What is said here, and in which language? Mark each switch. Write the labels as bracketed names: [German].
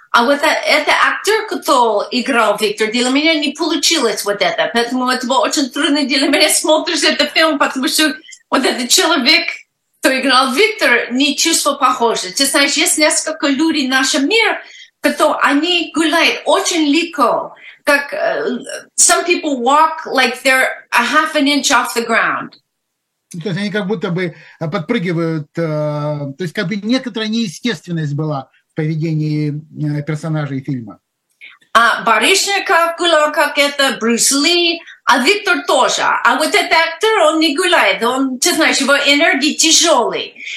[Russian] А вот это актер, который играл Виктор, для меня не получилось вот это. Поэтому это было очень трудно для меня смотреть этот фильм, потому что вот этот человек, кто играл Виктор, не чувствовал похожего. Ты знаешь, есть несколько людей в нашем мире, которые они гуляют очень легко. [English] Как some people walk like they're a half an inch off the ground. [Russian] То есть они как будто бы подпрыгивают, то есть как бы некоторая неестественность была в поведении персонажей фильма. А Барышников гулял как это, Брюс Ли, а Виктор тоже. А вот этот актер, он не гуляет, он, ты знаешь, его энергия тяжелый.